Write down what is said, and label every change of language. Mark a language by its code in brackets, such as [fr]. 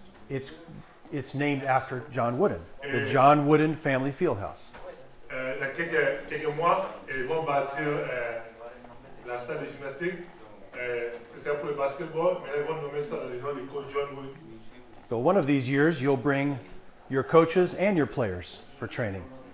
[en] It's named after John Wooden, the John Wooden Family Fieldhouse. [fr] Quelques mois, ils vont bâtir la salle de gymnastique. C'est pour le basketball, mais ils vont nommer ça le nom du coach John Wooden. [en] So one of these years, you'll bring your coaches and your players for training.